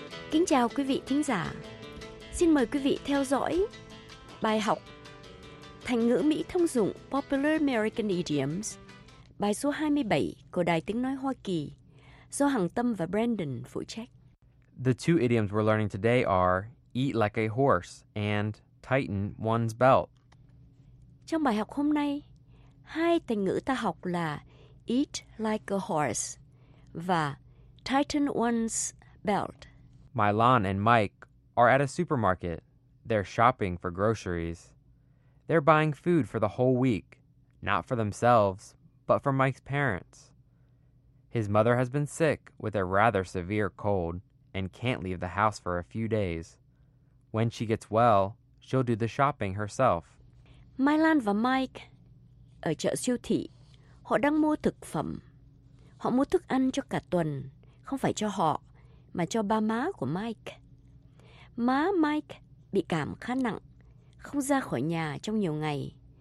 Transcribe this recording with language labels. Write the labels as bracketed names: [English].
[Vietnamese] Kính chào quý vị thính giả. Xin mời quý vị theo dõi bài học thành ngữ Mỹ thông dụng Popular American Idioms, bài số 27 của Đài Tiếng Nói Hoa Kỳ, do Hằng Tâm và Brandon phụ trách. [English] The two idioms we're learning today are eat like a horse and tighten one's belt. [Vietnamese] Trong bài học hôm nay, hai thành ngữ ta học là [English] eat like a horse [Vietnamese] và [English] tighten one's belt. Milan and Mike are at a supermarket. They're shopping for groceries. They're buying food for the whole week, not for themselves, but for Mike's parents. His mother has been sick with a rather severe cold and can't leave the house for a few days. When she gets well, she'll do the shopping herself. [Vietnamese] Milan và Mike ở chợ siêu thị, họ đang mua thực phẩm. Họ mua thức ăn cho cả tuần, không phải cho họ, mà cho ba má của Mike. Má Mike bị cảm khá nặng, không ra khỏi nhà trong nhiều ngày.